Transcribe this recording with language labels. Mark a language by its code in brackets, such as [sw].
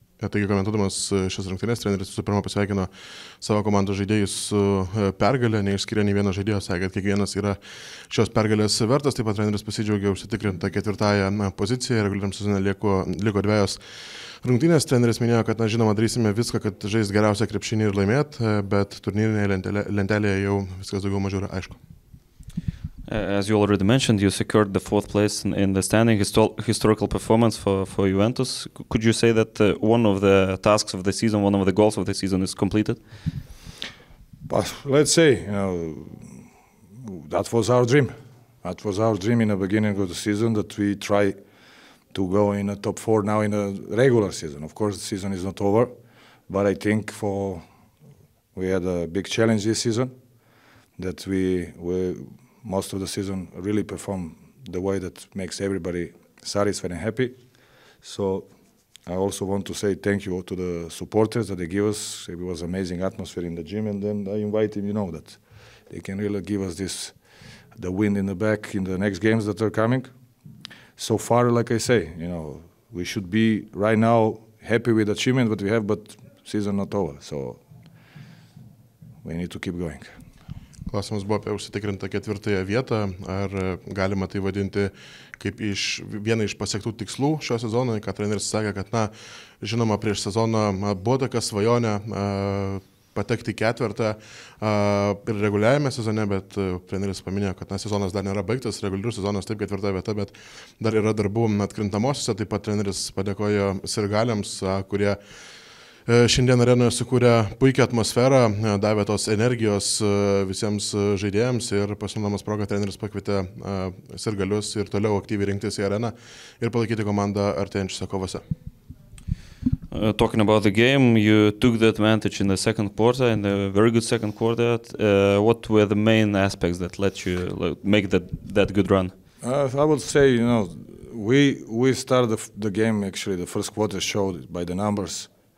[lt] Taigi komentuodamas šias rungtynes, treneris visų pirma pasveikino savo komandos žaidėjus su pergale, neišskiria nei vieno žaidėjo, sakė, kad kiekvienas yra šios pergalės vertas. Taip pat treneris pasidžiaugė užsitikrintą ketvirtąją poziciją, reguliariam sezone liko 2 rungtynės. Treneris minėjo, kad, na, žinoma, darysime viską, kad žais geriausią krepšinį ir laimėt, bet turnyrinėje lentelėje jau viskas daugiau mažiau yra aišku. [en] As you already mentioned, you secured the 4th place in the standing, historical performance for Juventus. Could you say that one of the tasks of the season, one of the goals of the season is completed? But let's say, that was our dream. That was our dream in the beginning of the season, that we try to go in the top 4 now in a regular season. Of course, the season is not over, but I think we had a big challenge this season, that we most of the season really perform the way that makes everybody satisfied and happy. So I also want to say thank you to the supporters that they give us. It was amazing atmosphere in the gym, and then I invite them, you know, that they can really give us this, the wind in the back in the next games that are coming. So far, like I say, you know, we should be right now happy with the achievement that we have, but season not over. So we need to keep going. [lt] Klausimas buvo apie užsitikrintą 4 vietą. Ar galima tai vadinti kaip iš vieną iš pasiektų tikslų šio sezono, kad treneris sakė, kad, na, žinoma, prieš sezoną buvo tokia svajonė patekti į 4 ir reguliavime sezone, bet treneris paminėjo, kad, na, sezonas dar nėra baigtas, reguliarus sezonas taip 4 vieta, bet dar yra darbų atkrintamosiose. Taip pat treneris padėkojo sirgaliams, kurie šiandien arenoje sukūrė puikią atmosferą, davė tos energijos visiems žaidėjams, ir pasinaudodamas progą treneris pakvietė sirgalius ir toliau aktyviai rinktis į areną ir palaikyti komandą artėjančiose kovose. [en] Talking about the game, you took the advantage in the second quarter, in the very good second quarter. What were the main aspects that let you make that good run? I would say, you know, we started the game, actually the first quarter showed by the numbers.